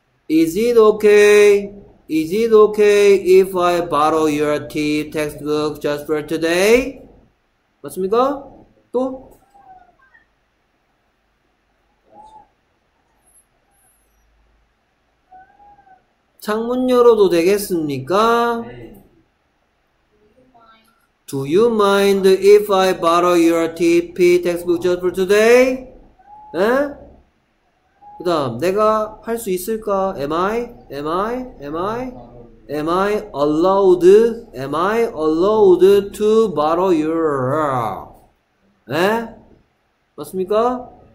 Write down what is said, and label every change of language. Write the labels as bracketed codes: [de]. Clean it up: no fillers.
[en] Is it okay? Is it okay if I borrow your tea textbook just for today? [ko] 맞습니까? 또? 창문 열어도 되겠습니까? 네. [en] Do you mind if I borrow your TP textbook just for today? [ko] 네? 그 다음, 내가 할 수 있을까? [en] Am I allowed? Am I allowed to borrow your? [ko] 네? 맞습니까?